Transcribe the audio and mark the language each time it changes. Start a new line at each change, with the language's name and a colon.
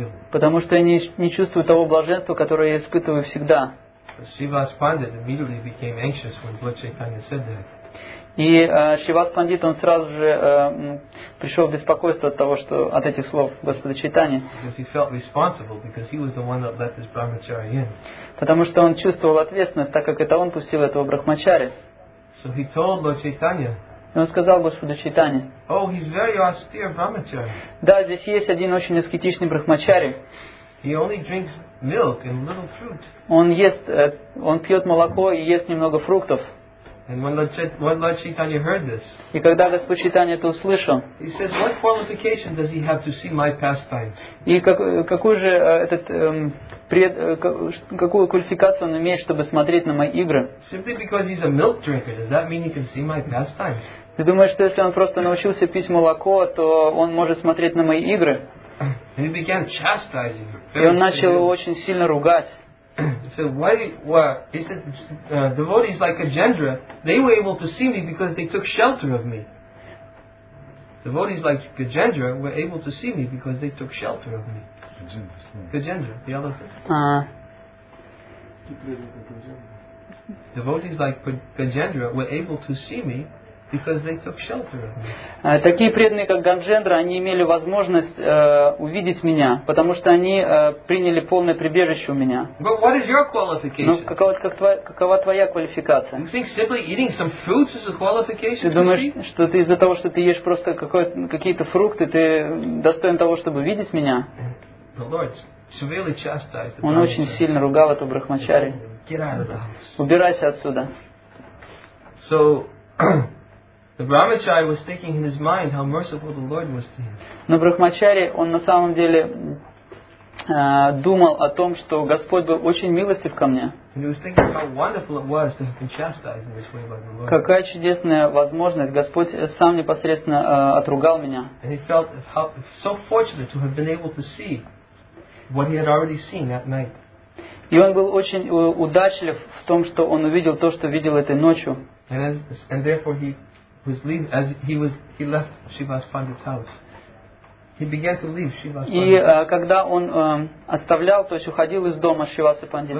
Russian: Потому что я не чувствую того блаженства, которое я испытываю всегда.
English: Шивас Пандит immediately became anxious when Lord Chaitanya said that.
Russian: И Шивас Пандит, он сразу же пришел в беспокойство от этих слов Господа Чайтанья.
English: Because he felt responsible, because he was the one that let this brahmachari in.
Russian: Потому что он чувствовал ответственность, так как это он пустил этого брахмачари.
English: So he told Lord Chaitanya.
Russian: И он сказал Господу Чайтанье.
English: Oh, he's very austere brahmachari.
Russian: Да, здесь есть один очень аскетичный брахмачари.
English: He only drinks milk and little fruit.
Russian: Он пьет молоко и ест немного фруктов.
English: And when Lord Chaitanya heard this,
Russian: и когда Господь Чайтанья это услышал,
English: he says, "What qualification does he have to see my pastimes?"
Russian: И какую же какую квалификацию он имеет, чтобы смотреть на мои игры?
English: Simply because he's a milk drinker, does that mean he can see my pastimes?
Russian: Ты думаешь, что если он просто научился пить молоко, то он может смотреть на мои игры?
English: And he began chastising.
Russian: И он начал его очень сильно ругать.
English: So why? He said, devotees like Gajendra, they were able to see me because they took shelter of me. Devotees like Gajendra were able to see me because they took shelter of me. Gajendra, the elephant. Devotees like Gajendra were able to see me Because they took shelter.
Russian: Такие преданные, как Ганджендра, они имели возможность увидеть меня, потому что они приняли полное прибежище у меня.
English: But what is your qualification?
Russian: Но какова твоя квалификация?
English: You think simply eating some fruits is a qualification?
Russian: Ты думаешь, что ты из-за того, что ты ешь просто какие-то фрукты, ты достоин того, чтобы видеть меня?
English: The Lord severely chastised the brahmachari.
Russian: Он очень сильно ругал эту брахмачари.
English: Get out of the house.
Russian: Убирайся отсюда.
English: So the brahmachari was thinking in his mind how merciful the Lord was to him.
Russian: Но брахмачари, он на самом деле думал о том, что Господь был очень милостив ко мне.
English: And he was thinking how wonderful it was to have been chastised in this way by the Lord.
Russian: Какая чудесная возможность, Господь сам непосредственно отругал меня.
English: And he felt so fortunate to have been able to see what he had already seen that night.
Russian: И он был очень удачлив в том, что он увидел то, что видел этой ночью.
English: And therefore he was leaving, as he was, he left Shiva's Pandit's house. He began to leave Shiva's Pandit's house.
Russian: И когда он оставлял, то есть уходил из дома Шивасы Пандита.